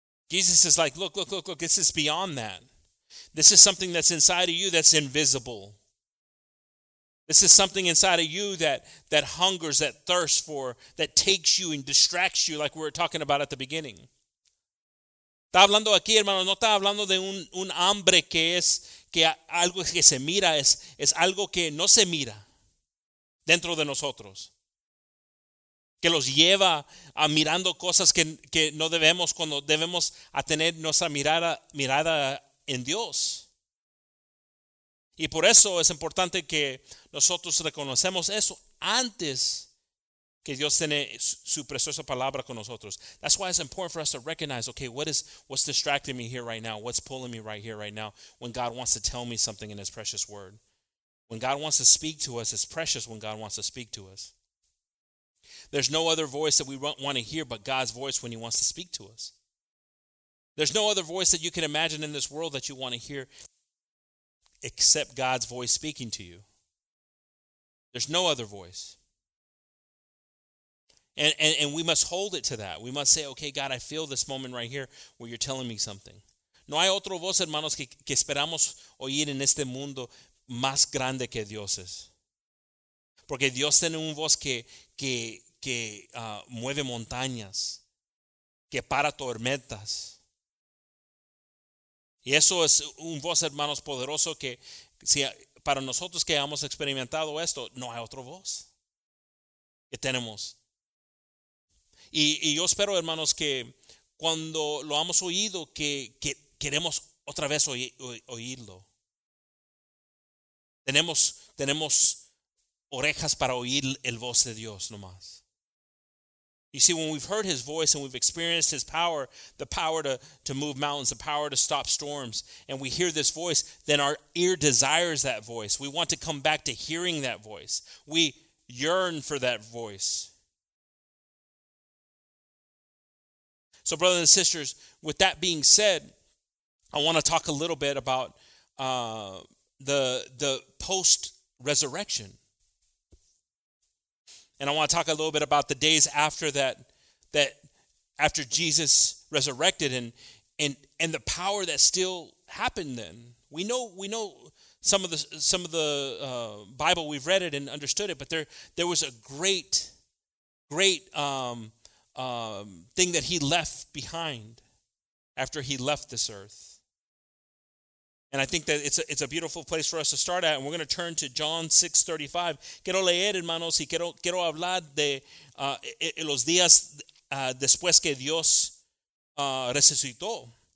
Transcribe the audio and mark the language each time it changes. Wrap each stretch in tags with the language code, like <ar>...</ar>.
<en>Jesus is like, look, this is beyond that. This is something that's inside of you that's invisible. This is something inside of you that hungers, that thirsts for, that takes you and distracts you, like we were talking about at the beginning.</en> <es>Está hablando aquí, hermano, no está hablando de un hambre que es que algo que se mira, es algo que no se mira dentro de nosotros, que los lleva a mirando cosas que no debemos, cuando debemos a tener nuestra mirada en Dios. Y por eso es importante que nosotros reconocemos eso antes que Dios tiene su preciosa palabra con nosotros.</es> <en>That's why it's important for us to recognize, okay, what's distracting me here right now? What's pulling me right here right now? When God wants to tell me something in his precious word. When God wants to speak to us, it's precious when God wants to speak to us. There's no other voice that we want to hear but God's voice when he wants to speak to us. There's no other voice that you can imagine in this world that you want to hear except God's voice speaking to you. There's no other voice. And we must hold it to that. We must say, okay, God, I feel this moment right here where you're telling me something.</en> <es>No hay otro voz, hermanos, que esperamos oír en este mundo más grande que Dios es. Porque Dios tiene un voz que mueve montañas, que para tormentas. Y eso es un voz, hermanos, poderoso que si para nosotros que hemos experimentado esto, no hay otro voz que tenemos. Y yo espero, hermanos, que cuando lo hemos oído, que queremos otra vez oírlo. Tenemos orejas para oír el voz de Dios nomás.</es> <en>You see, when we've heard his voice and we've experienced his power, the power to move mountains, the power to stop storms, and we hear this voice, then our ear desires that voice. We want to come back to hearing that voice. We yearn for that voice. So, brothers and sisters, with that being said, I want to talk a little bit about the post-resurrection. And I want to talk a little bit about the days after that after Jesus resurrected and the power that still happened then. We know some of the Bible, we've read it and understood it, but there was a great thing that he left behind after he left this earth. And I think that it's a beautiful place for us to start at. And we're going to turn to John 6:35.</en> <es>Quiero leer, hermanos, y quiero hablar de los días después que Dios resucitó.</es>